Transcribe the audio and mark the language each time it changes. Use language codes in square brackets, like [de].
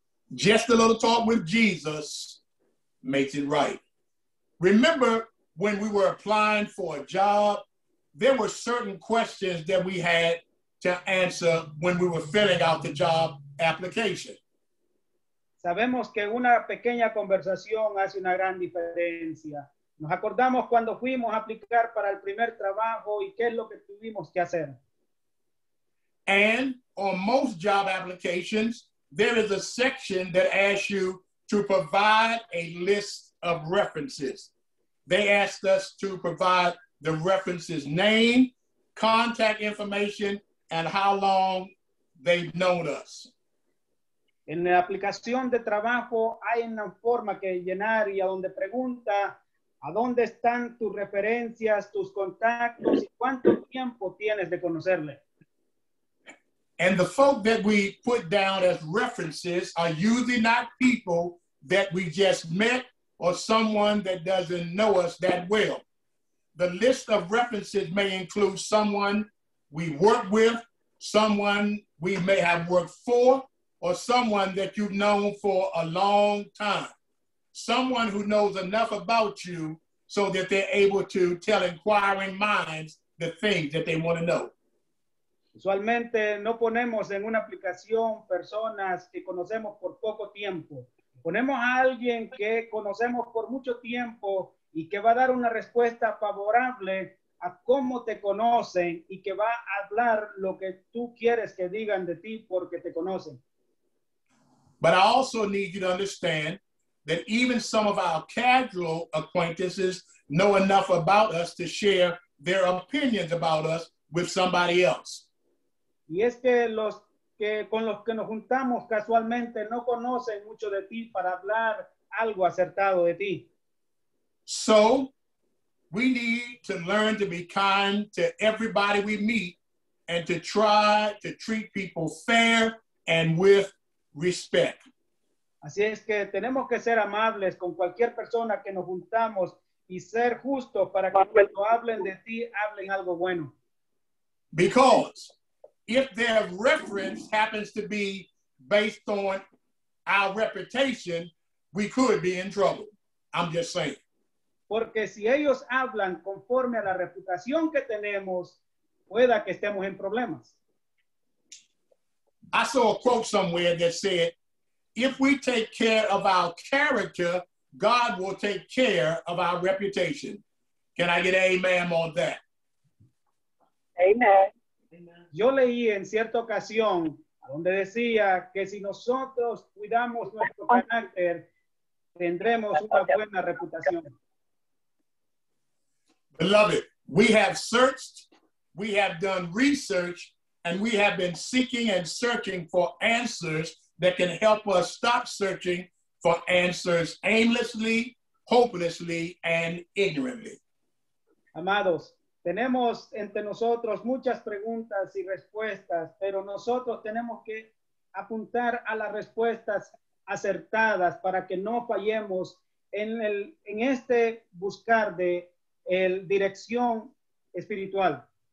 [en] Just a little talk with Jesus makes it right. Remember when we were applying for a job, there were certain questions that we had to answer when we were filling out the job application. [es] Sabemos que una pequeña conversación hace una gran diferencia. Nos acordamos cuando fuimos a aplicar para el primer trabajo y qué es lo que tuvimos que hacer. [en] And on most job applications, there is a section that asks you to provide a list of references. They asked us to provide the references' name, contact information, and how long they've known us. [es] En la aplicación de trabajo hay una forma que llenar y a donde pregunta, ¿a dónde están tus referencias, tus contactos, y cuánto tiempo tienes de conocerle? [en] And the folk that we put down as references are usually not people that we just met or someone that doesn't know us that well. The list of references may include someone we work with, someone we may have worked for, or someone that you've known for a long time. Someone who knows enough about you so that they're able to tell inquiring minds the things that they want to know. [es] Usualmente no ponemos en una aplicación personas que conocemos por poco tiempo. Ponemos a alguien que conocemos por mucho tiempo y que va a dar una respuesta favorable a cómo te conocen y que va a hablar lo que tú quieres que digan de ti porque te conocen. [en] But I also need you to understand that even some of our casual acquaintances know enough about us to share their opinions about us with somebody else. [es] Y es que los que con los que nos juntamos casualmente no conocen mucho de ti para hablar algo acertado de ti. [en] So, we need to learn to be kind to everybody we meet and to try to treat people fair and with respect. [es] Así es que tenemos que ser amables con cualquier persona que nos juntamos y ser justos para que cuando hablen de ti, hablen algo bueno. [en] Because if their reference happens to be based on our reputation, we could be in trouble. I'm just saying. [es] Porque si ellos hablan conforme a la reputación que tenemos, pueda que estemos en problemas. [en] I saw a quote somewhere that said, if we take care of our character, God will take care of our reputation. Can I get amen on that? Amen. [es] Yo leí en cierta ocasión donde decía que si nosotros cuidamos nuestro carácter, tendremos una buena reputación. [en] Beloved, we have searched, we have done research, and we have been seeking and searching for answers that can help us stop searching for answers aimlessly, hopelessly, and ignorantly. [es] Amados, tenemos entre nosotros muchas preguntas y respuestas, pero nosotros tenemos que apuntar a las respuestas acertadas para que no fallemos en este buscar de el dirección espiritual.